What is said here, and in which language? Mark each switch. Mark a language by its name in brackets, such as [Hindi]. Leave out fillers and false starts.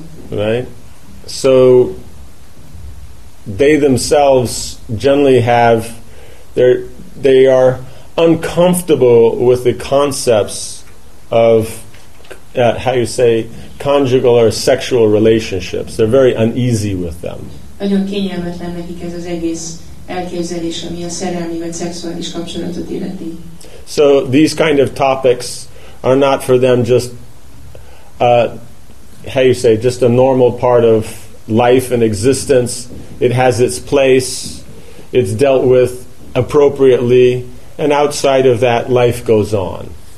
[English] Right? So they themselves generally have they are uncomfortable with the concepts of how you say conjugal or sexual relationships. They're very uneasy with them. [Hungarian] Nagyon kényelmetlen nekik ez az egész elképzelés, ami a szerelmi vagy szexuális kapcsolatot illeti. [English] So these kind of topics are not for them just how you say just a normal part of life and existence. It has its place, it's dealt with appropriately, and outside of that, life goes on.